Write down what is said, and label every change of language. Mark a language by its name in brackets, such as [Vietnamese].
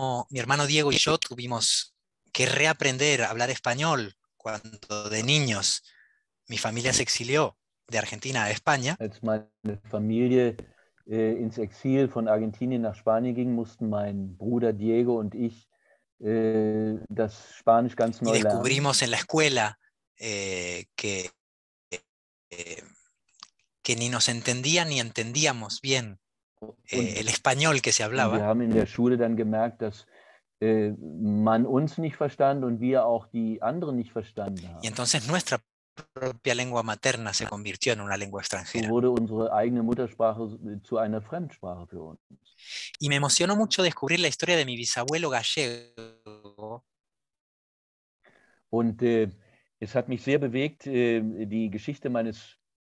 [Spanish] Mi hermano Diego y yo tuvimos que reaprender a hablar español cuando de niños mi familia se exilió de Argentina a España. [German] Als meine Familie ins Exil von Argentinien nach Spanien ging, mussten mein Bruder Diego und ich das Spanisch ganz neu lernen. [Spanish] Y descubrimos en la escuela que ni nos entendían ni entendíamos bien el español que se hablaba. [German] Wir haben in der Schule dann gemerkt, dass man uns nicht verstand und wir auch die anderen nicht verstanden haben. [Spanish] Y entonces nuestra propia lengua materna se convirtió en una lengua extranjera. [German] So wurde unsere eigene Muttersprache zu einer Fremdsprache für uns. [Spanish] Y me emocionó mucho descubrir la historia de mi bisabuelo gallego. [German] Und es hat mich sehr bewegt, die Geschichte meines